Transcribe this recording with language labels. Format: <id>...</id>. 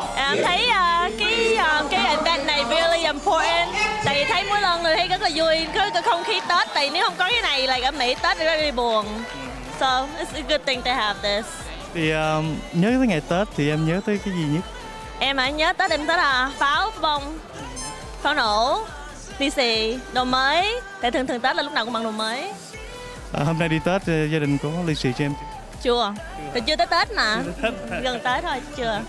<vi>Em thấy cái event này</vi> <en>really important.</en> <vi>Tại vì thấy mỗi lần người thấy rất là vui, có không khí Tết. Tại nếu không có cái này là like, ở Mỹ Tết thì</vi> <en>really</en> <vi>buồn.</vi> <en>So it's a good thing to have this.</en> <vi>Thì nhớ tới ngày Tết thì em nhớ tới cái gì nhất? Em hả? Nhớ Tết em tới là pháo bông, pháo nổ, lì xì, đồ mới. Tại thường thường Tết là lúc nào cũng mặc đồ mới. Hôm nay đi Tết gia đình có lì xì cho em chưa? Thì chưa tới Tết nè, gần tới thôi, chưa.</vi>